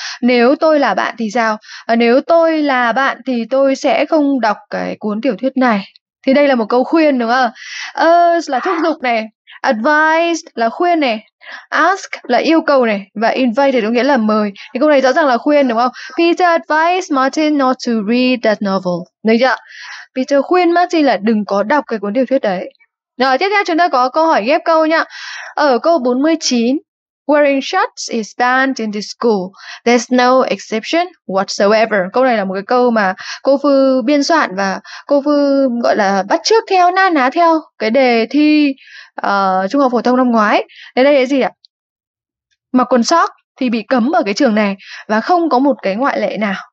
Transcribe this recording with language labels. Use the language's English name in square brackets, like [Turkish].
[Vietnamese] Nếu tôi là bạn thì sao? Nếu tôi là bạn thì tôi sẽ không đọc cái cuốn tiểu thuyết này. Thì đây là một câu khuyên đúng không? Urge là thúc giục này. Advise là khuyên này. Ask là yêu cầu này. Và invite có nghĩa là mời. Thì câu này rõ ràng là khuyên đúng không? [English] Peter advised Martin not to read that novel. [Vietnamese] Đấy chưa? Peter khuyên Martin là đừng có đọc cái cuốn tiểu thuyết đấy. Rồi, tiếp theo chúng ta có câu hỏi ghép câu nhá. Ở câu 49, [English] wearing shorts is banned in the school. There's no exception whatsoever. [Vietnamese] Câu này là một cái câu mà cô Phư biên soạn và cô Phư gọi là bắt chước theo, na ná theo cái đề thi trung học phổ thông năm ngoái. Đây đây là gì ạ? Mặc quần sóc thì bị cấm ở cái trường này và không có một cái ngoại lệ nào.